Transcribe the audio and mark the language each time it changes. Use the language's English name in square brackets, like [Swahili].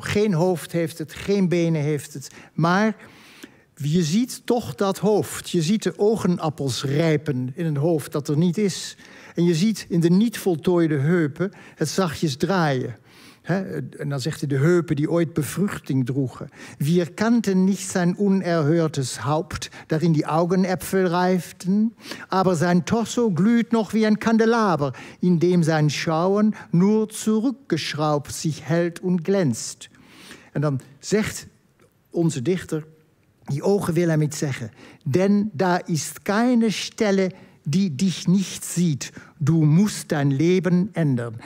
[Dutch] Geen hoofd heeft het, geen benen heeft het, maar je ziet toch dat hoofd. Je ziet de ogenappels rijpen in een hoofd dat er niet is. En je ziet in de niet voltooide heupen het zachtjes draaien. He? En dan zegt hij de heupen die ooit bevruchting droegen. [German] Wir kannten nicht sein unerhörtes Haupt, darin die Augenäpfel reiften. Aber sein Torso glüht noch wie ein Kandelaber, in dem sein Schauen nur zurückgeschraubt sich hält und glänzt. [Dutch] En dan zegt onze dichter, die ogen willen hem iets zeggen. [German] Denn da ist keine Stelle, die dich nicht sieht. Du musst dein Leben ändern.